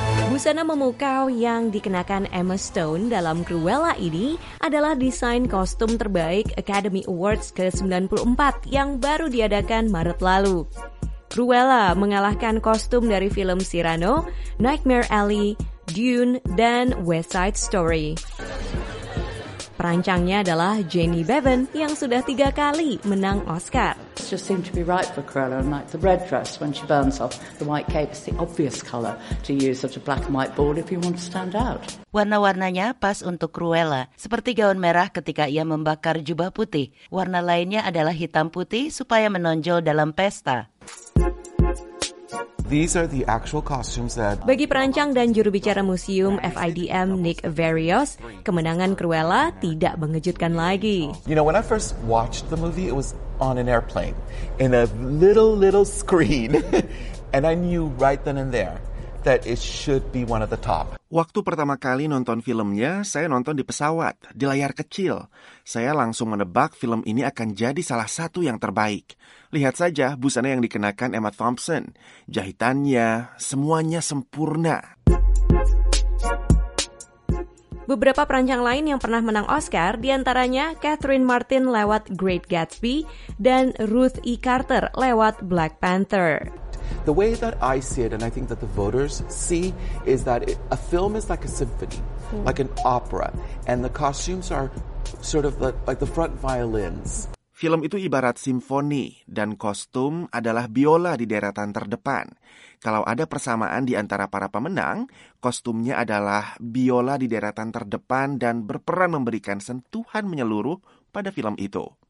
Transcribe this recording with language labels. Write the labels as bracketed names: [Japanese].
[Indonesian] busana memukau yang dikenakan Emma Stone dalam Cruella ini adalah desain kostum terbaik Academy Awards ke-94 yang baru diadakan Maret lalu. Cruella mengalahkan kostum dari film Cyrano, Nightmare Alley, Dune, dan West Side Story. Perancangnya adalah Jenny Bevan yang sudah 3 kali menang Oscar. [English] Just seemed to be right for Cruella, and like the red dress when she burns off the white cape is the obvious color to use such a black and white ball if you want to stand out. [Indonesian] Warna-warnanya pas untuk Cruella, seperti gaun merah ketika ia membakar jubah putih. Warna lainnya adalah hitam putih supaya menonjol dalam pesta. [English] These are the actual costumes that... [Indonesian] Bagi perancang dan juru bicara museum FIDM Nick Verrios, kemenangan Cruella tidak mengejutkan lagi. [English] You know, when I first watched the movie, it was on an airplane in a little screen and I knew right then and there that it should be one of the top. [Indonesian] Waktu pertama kali nonton filmnya, saya nonton di pesawat, di layar kecil. Saya langsung menebak film ini akan jadi salah satu yang terbaik. Lihat saja busana yang dikenakan Emma Thompson. Jahitannya, semuanya sempurna. Beberapa perancang lain yang pernah menang Oscar, diantaranya Catherine Martin lewat Great Gatsby dan Ruth E. Carter lewat Black Panther. [English] The way that I see it, and I think that the voters see, is that a film is like a symphony, like an opera, and the costumes are sort of like the front violins. [Indonesian] Film itu ibarat simfoni, dan kostum adalah biola di deretan terdepan. Kalau ada persamaan di antara para pemenang, kostumnya adalah biola di deretan terdepan dan berperan memberikan sentuhan menyeluruh pada film itu.